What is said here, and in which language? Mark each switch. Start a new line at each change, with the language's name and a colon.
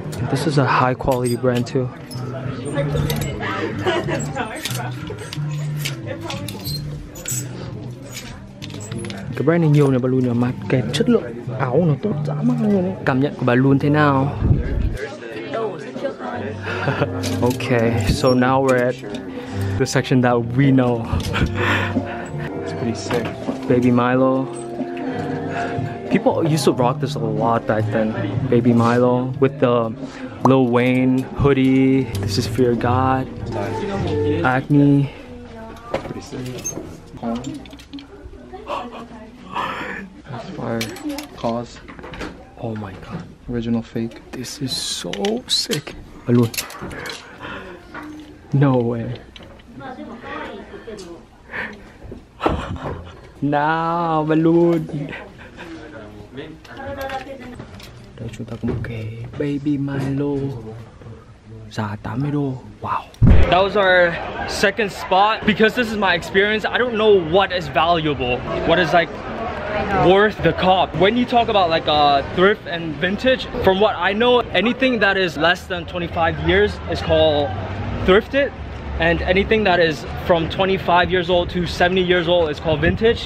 English: This is a high quality brand too.
Vietnamese: Cái brand này nhiều nè bà Lùn nhờ, mà cái chất lượng áo nó tốt dã man luôn ấy. Cảm nhận của bà Lùn thế nào?
English: Okay, so now we're at the section that we know. It's pretty sick. Baby Milo. People used to rock this a lot back then. Baby Milo with the Lil Wayne hoodie. This is Fear God. Acne. That's fire. Pause. Oh my god. Original fake. This is so sick. Balloon. No way. Now, balloon.
Vietnamese: Đây chúng ta có một cái Baby Milo giá 80 đô.
English: Wow. That was our second spot. Because this is my experience, I don't know what is valuable, what is like worth the cost. When you talk about like thrift and vintage, from what I know, anything that is less than 25 years is called thrifted, and anything that is from 25 years old to 70 years old is called vintage.